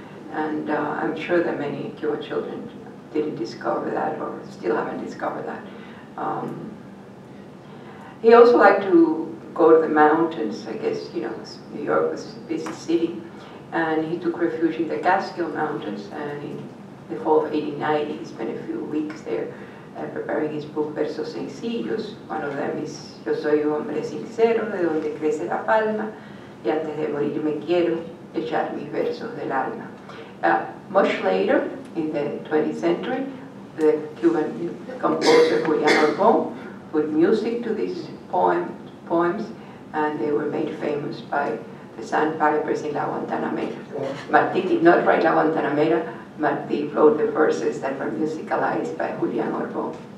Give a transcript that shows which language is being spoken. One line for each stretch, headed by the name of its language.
English: And I'm sure that many Cuban children didn't discover that, or still haven't discovered that. He also liked to go to the mountains, I guess, you know, New York was a busy city. And he took refuge in the Catskill Mountains, and in the fall of 1890, he spent a few weeks there. Preparing his book, Versos Sencillos. One of them is,
Spanish: Yo soy un hombre sincero, de donde crece la palma, y antes de morir me quiero echar mis versos del alma.
English: Much later, in the 20th century, the Cuban composer Julián Orbón put music to these poems, and they were made famous by the sandpipers in La Guantanamera. Martí did not write La Guantanamera, Martí wrote the verses that were musicalized by Julián Orbón.